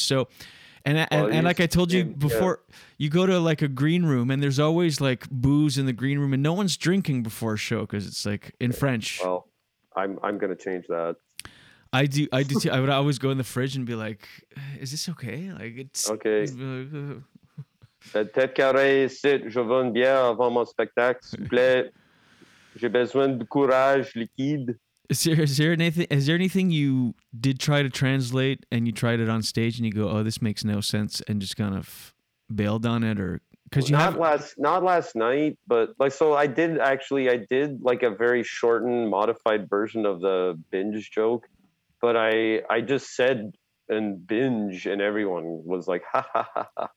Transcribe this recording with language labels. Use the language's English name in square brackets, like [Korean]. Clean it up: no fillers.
[English] So, and like I told you before, you go to like a green room, and there's always like booze in the green room, and no one's drinking before a show because it's like in French. Well, I'm gonna change that. I do too. I would always go in the fridge and be like, "Is this okay? Like it's okay." [French] Tête carrée, c'est je veux une bière avant mon spectacle, s'il vous plaît. J'ai besoin de courage liquide. [English] Is there anything you did try to translate and you tried it on stage and you go, oh, this makes no sense, and just kind of bailed on it? Or because you not last night, but like, so I did actually, I did like a very shortened, modified version of the binge joke, but I just said and binge, and everyone was like, ha ha ha, ha.